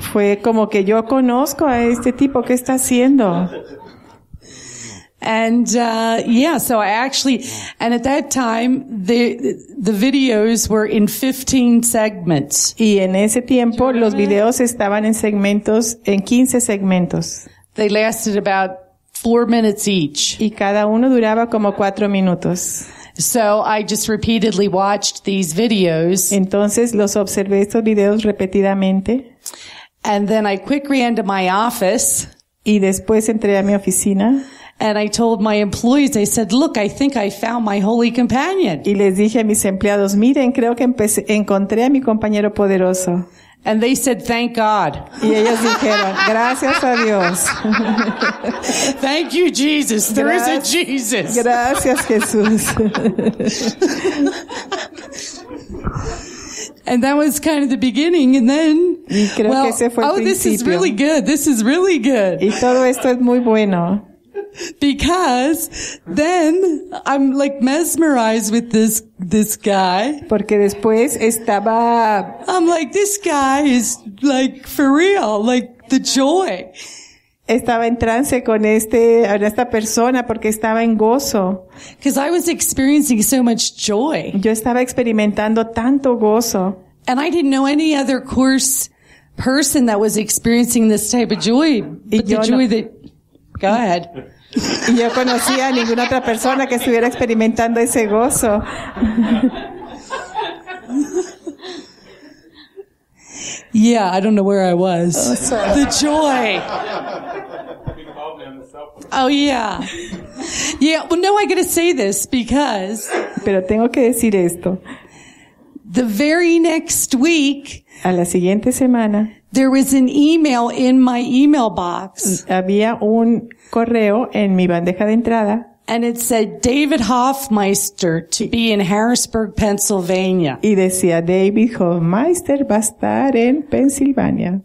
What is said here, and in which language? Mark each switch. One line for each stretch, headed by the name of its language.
Spanish: Fue como que yo conozco a este tipo. ¿Qué está haciendo?
English: And so I actually, and at that time the videos were in 15 segments.
Spanish: Y en ese tiempo los videos estaban en segmentos, en 15 segmentos.
English: They lasted about 4 minutes each.
Spanish: Y cada uno duraba como 4 minutos.
English: So I just repeatedly watched these videos.
Spanish: Entonces los observé estos videos repetidamente.
English: And then I quickly ran to my office.
Spanish: Y después entré a mi oficina.
English: And I told my employees, I said, look, I think I found my holy companion.
Spanish: Y les dije a mis empleados, miren, creo que encontré a mi compañero poderoso.
English: And they said, thank God.
Spanish: Y ellos dijeron, gracias a Dios.
English: Thank you, Jesus. There is a Jesus.
Spanish: Gracias, Jesús.
English: And that was kind of the beginning. And then,
Spanish: creo que ese fue el principio.
English: This is really good.
Spanish: Y todo esto es muy bueno.
English: Because then I'm like mesmerized with this guy.
Spanish: Porque después estaba...
English: I'm like, this guy is like for real, like the joy.
Spanish: Estaba en trance con esta persona porque estaba en gozo.
English: Because I was experiencing so much joy.
Spanish: Yo estaba experimentando tanto gozo.
English: And I didn't know any other course person that was experiencing this type of joy. But the joy that... Go ahead.
Spanish: Y yo conocía a ninguna otra persona que estuviera experimentando ese gozo.
English: Yeah, I don't know where I was. Oh, sorry. The joy. Oh, yeah. Yeah, well, no, I gotta say this because...
Spanish: Pero tengo que decir esto.
English: The very next week...
Spanish: A la siguiente semana...
English: There was an email in my email box.
Spanish: Había un correo en mi bandeja de entrada.
English: And it said David Hofmeister to be in Harrisburg, Pennsylvania.
Spanish: Y decía David Hofmeister va a estar en Pensilvania.